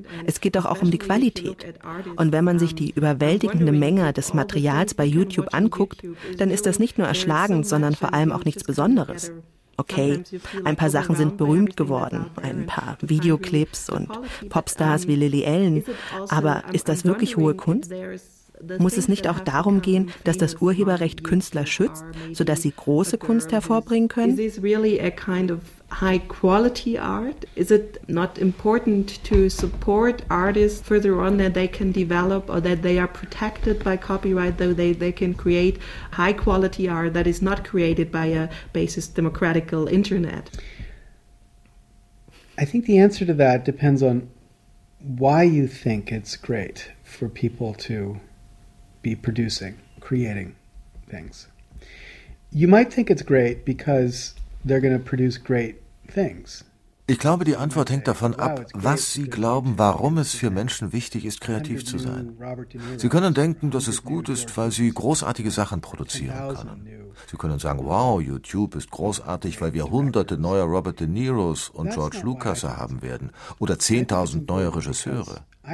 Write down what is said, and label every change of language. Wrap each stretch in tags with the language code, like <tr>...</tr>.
<de>Es geht doch auch um die Qualität. Und wenn man sich die überwältigende Menge des Materials bei YouTube anguckt, dann ist das nicht nur erschlagend, sondern vor allem auch nichts Besonderes. Okay, ein paar Sachen sind berühmt geworden, ein paar Videoclips und Popstars wie Lily Allen, aber ist das wirklich hohe Kunst? Muss es nicht auch darum gehen, dass das Urheberrecht Künstler schützt, sodass sie große Kunst hervorbringen können?</de> <en>Is this really a kind of high quality art? Is it not important to support artists further on that they can develop or that they are protected by copyright, though they can create high quality art that is not created by a basis democratical internet? I think the answer to that depends on why you think it's great for people to be producing, creating things. You might think it's great because they're going to produce great things.</en> <de>Ich glaube, die Antwort hängt davon ab, was Sie glauben, warum es für Menschen wichtig ist, kreativ zu sein. Sie können denken, dass es gut ist, weil Sie großartige Sachen produzieren können. Sie können sagen, wow, YouTube ist großartig, weil wir hunderte neuer Robert De Niros und George Lucas haben werden oder 10.000 neue Regisseure.</de>